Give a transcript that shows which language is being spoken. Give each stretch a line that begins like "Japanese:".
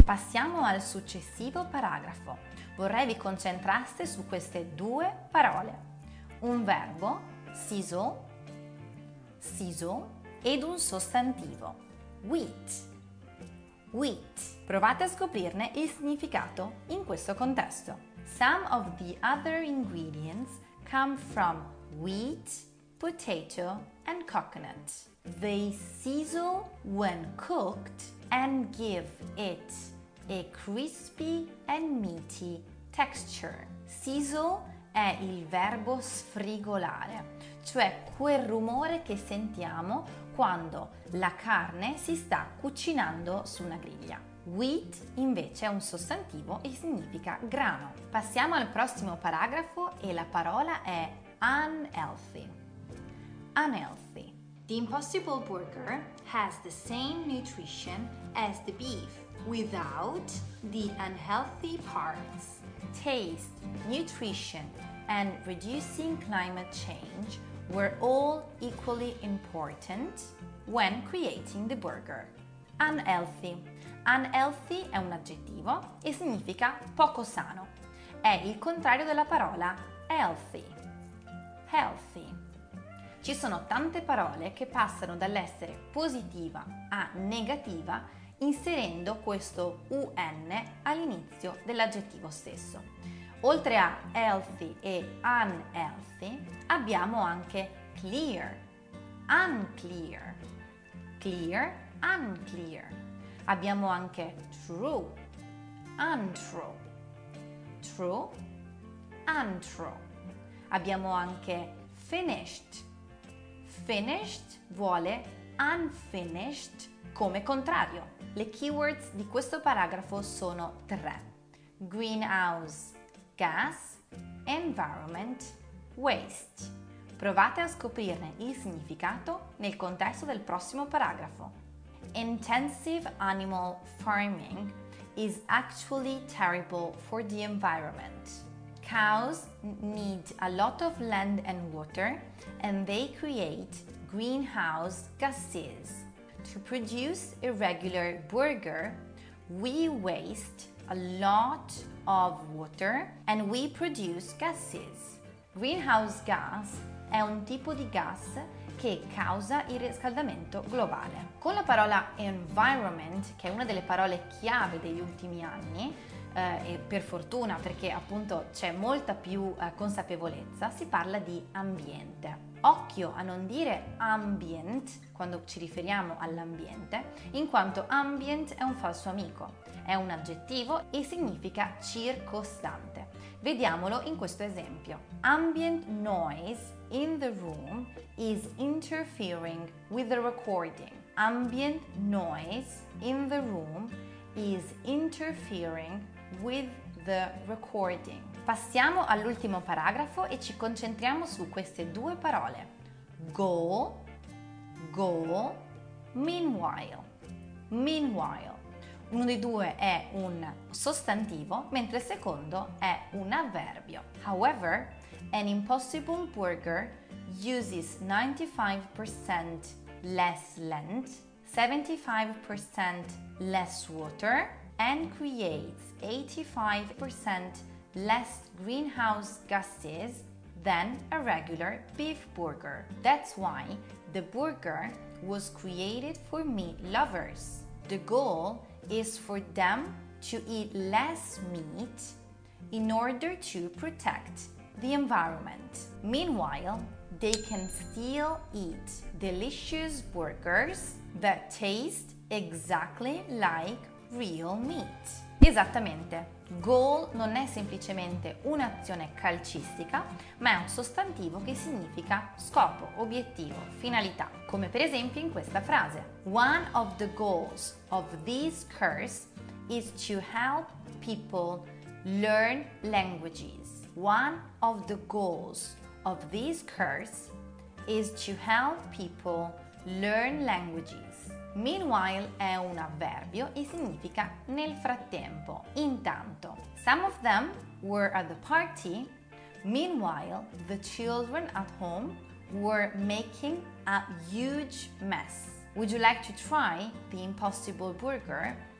Italian: Passiamo al successivo paragrafo. Vorrei vi concentraste su queste due parole. Un verbo, sizzle, sizzle, ed un sostantivo, wheat, wheat. Provate a scoprirne il significato in questo contesto.
English: Some of the other ingredients come from wheat, potato, and coconut. They sizzle when cooked and give it a crispy and meaty texture.
Italian: Sizzle è il verbo sfrigolare, cioè quel rumore che sentiamo quando la carne si sta cucinando su una griglia. Wheat invece è un sostantivo e significa grano. Passiamo al prossimo paragrafo e la parola è unhealthy.
English: Unhealthy. The Impossible Burger has the same nutrition as the beef without the unhealthy parts. Taste, nutrition, and reducing climate change were all equally important when creating the burger. Unhealthy.
Italian: Unhealthy è un aggettivo e significa poco sano. È il contrario della parola healthy, healthy. Ci sono tante parole che passano dall'essere positiva a negativa inserendo questo un all'inizio dell'aggettivo stesso. Oltre a healthy e unhealthy, abbiamo anche clear, unclear, clear, unclear. Abbiamo anche true, untrue, true, untrue. Abbiamo anche finished. Finished vuole unfinished come contrario. Le keywords di questo paragrafo sono tre: greenhouse, gas, environment, waste. Provate a scoprirne il significato nel contesto del prossimo paragrafo.
English: Intensive animal farming is actually terrible for the environment. Cows need a lot of land and water, and they create greenhouse gases. To produce a regular burger, we waste a lot of water and we produce gases.
Italian: Greenhouse gas è un tipo di gas che causa il riscaldamento globale. Con la parola environment, che è una delle parole chiave degli ultimi anni, e per fortuna perché appunto c'è molta più consapevolezza, si parla di ambiente. Occhio a non dire ambient quando ci riferiamo all'ambiente, in quanto ambient è un falso amico, è un aggettivo e significa circostante. Vediamolo in questo esempio.
English: Ambient noise in the room is interfering with the recording. Ambient noise in the room is interfering with the recording.
Italian: Passiamo all'ultimo paragrafo e ci concentriamo su queste due parole.
English: Goal, goal, meanwhile, meanwhile.
Italian: Uno dei due è un sostantivo, mentre il secondo è un avverbio.
English: However, an impossible burger uses 95% less land, 75% less water, and creates 85% less greenhouse gases than a regular beef burger. That's why the burger was created for meat lovers. The goal is for them to eat less meat in order to protect the environment. Meanwhile, they can still eat delicious burgers that taste exactly like real meat.
Italian: Esattamente. Goal non è semplicemente un'azione calcistica, ma è un sostantivo che significa scopo, obiettivo, finalità. Come per esempio in questa frase.
English: One of the goals of this course is to help people learn languages. One of the goals of this course is to help people learn languages.
Italian: Meanwhile è un avverbio e significa nel frattempo, intanto.
English: Some of them were at the party. Meanwhile, the children at home were making a huge mess. Would you like to try the impossible burger?